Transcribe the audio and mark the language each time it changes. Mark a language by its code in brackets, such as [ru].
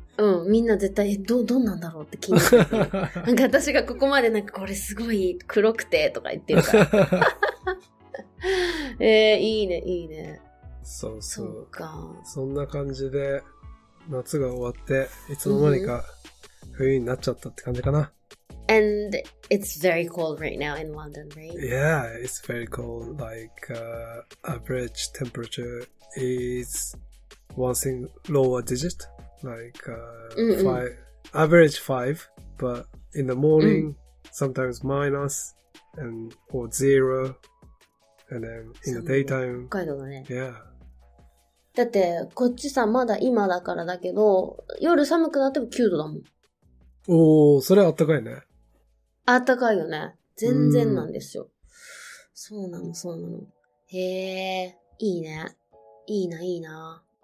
[ja] うん、みんな絶対どんなんだろうって気になってる。なんか私がここまでなんかこれすごい黒くてとか言ってるから、いいねいいね、そうそう、そうか、そんな感じで夏が終わっていつの間にか冬になっちゃったって感じかな。うん、 [en] And it's very cold right now in London, right? Yeah, it's very cold. Like, average temperature is once in lower digit, like five, average five, but in the morning, sometimes minus and or zero, and then in the daytime, yeah. [ja] だってこっちさ、まだ今だからだけど、夜寒くなっても9度だもん。おー、それはあったかいね。あったかいよね。全然なんですよ。そうなの、そうなの。へえ、いいね。いいな、いいな。